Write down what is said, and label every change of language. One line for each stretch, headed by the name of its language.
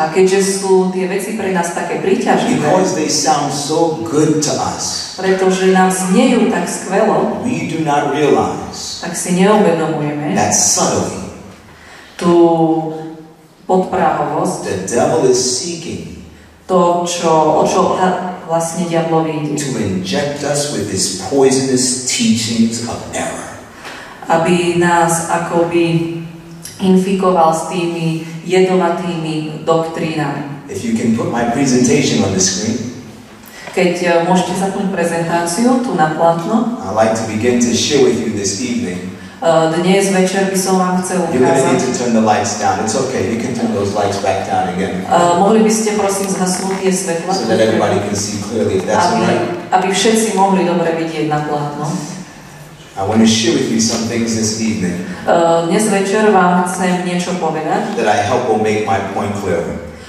Slovak: A keďže sú tie veci pre nás také príťažné.
English: Because they sound so good to us.
Slovak: Pretože nám zniejú tak skvelo.
English: We do not realize.
Slovak: Tak si neuvedomujeme.
English: That subtlety.
Slovak: Tú podprahovosť.
English: The devil is seeking.
Slovak: To, čo, o čo vlastne diablovi ide.
English: To inject us with his poisonous teachings of error.
Slovak: Aby nás akoby infikoval s tými jedovatými doktrínami.
English: If you can put my presentation on the screen.
Slovak: Keď môžete zapnúť prezentáciu tu na plátno.
English: I'd like to begin to share with you this evening.
Slovak: Dnes večer by som vám chcel ukázať.
English: You're gonna need to turn the lights down. It's okay. You can turn those lights back down again.
Slovak: Mohli by ste prosím zhasnúť tie svetla?
English: So that everybody can see clearly if that's
Slovak: aby,
English: right.
Slovak: Aby všetci mohli dobre vidieť na plátno.
English: I want to share with you some things this evening.
Slovak: Dnes večer vám chcem niečo povedať.
English: That I hope will make my point clearer.